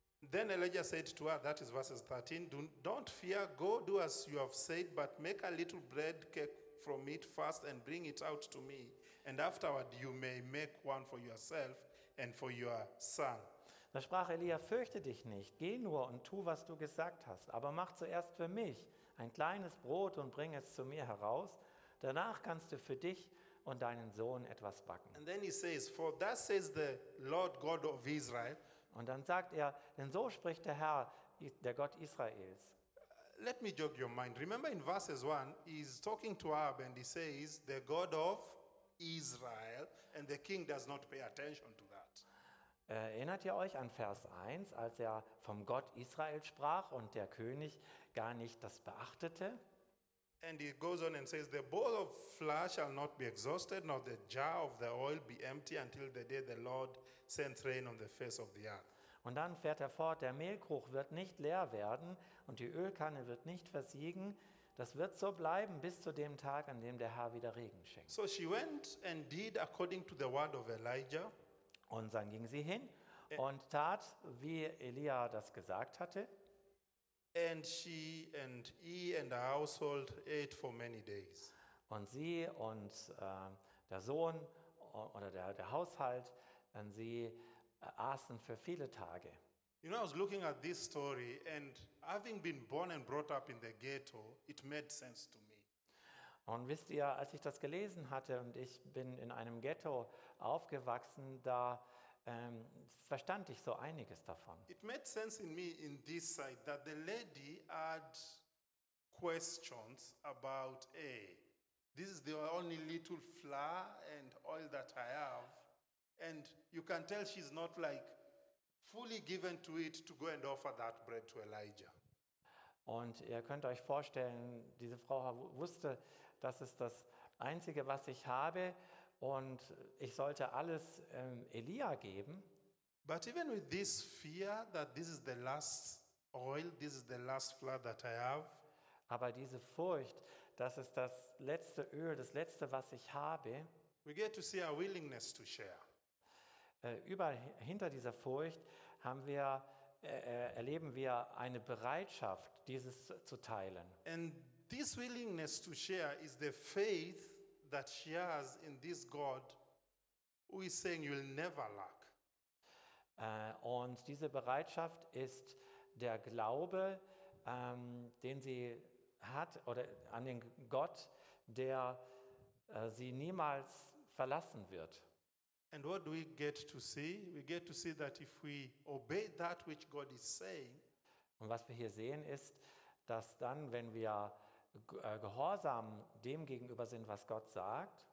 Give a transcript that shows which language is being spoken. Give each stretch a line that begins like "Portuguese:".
English: Then Elijah said to her, that is verses 13, don't fear, go do as you have said, but make a little bread cake from it first and bring it out to me. And afterward you may make one for yourself and for your son.
German: Da sprach Elia, fürchte dich nicht, geh nur und tu, was du gesagt hast, aber mach zuerst für mich ein kleines Brot und bring es zu mir heraus. Danach kannst du für dich und deinen Sohn etwas backen.
English: And then he says, for thus says the Lord God of Israel.
German: Und dann sagt er, denn so spricht der Herr, der Gott Israels.
English: Let me jog your mind. Remember in verses 1, he's talking to Ab and he says, the God of Israel, and the king does not pay attention to that.
German: Erinnert ihr euch an Vers 1, als er vom Gott Israel sprach und der König gar nicht das beachtete?
English: And he goes on and says, the bowl of flour shall not be exhausted, nor the jar of the oil be empty until the day the Lord sends rain on the face of the earth.
German: Und dann fährt er fort, der Mehlkrug wird nicht leer werden und die Ölkanne wird nicht versiegen. Das wird so bleiben bis zu dem Tag, an dem der Herr wieder Regen schenkt.
English: So she went and did according to the word of Elijah.
German: Und dann ging sie hin und tat, wie Elia das gesagt hatte.
English: And she and he and the household ate for many days.
German: Und sie und der Sohn oder der Haushalt, und sie aßen für viele Tage.
English: You know, I was looking at this story and having been born and brought up in the ghetto, it made sense to me.
German: Und wisst ihr, als ich das gelesen hatte und ich bin in einem Ghetto aufgewachsen, da verstand ich so einiges davon.
English: It made sense in me in this side that the lady had questions about, hey, this is the only little flour and oil that I have. And you can tell she's not like fully given to it to go and offer that bread to Elijah.
German: Und ihr könnt euch vorstellen, diese Frau wusste, das ist das Einzige, was ich habe, und ich sollte alles Elia geben.
English: But even with this fear that this is the last oil, this is the last flour that I have.
German: Aber diese Furcht, das ist das letzte Öl, das letzte, was ich habe.
English: We get to see a willingness to share.
German: Hinter dieser Furcht erleben wir eine Bereitschaft, dieses zu teilen.
English: And this willingness to share is the faith that she has in this God who is saying you'll never lack.
German: Und diese Bereitschaft ist der Glaube, den sie hat, oder an den Gott, der sie niemals verlassen wird.
English: And what do we get to see? We get to see that if we obey that which God is saying.
German: Und was wir hier sehen ist, dass dann, wenn wir gehorsam dem gegenüber sind, was Gott sagt,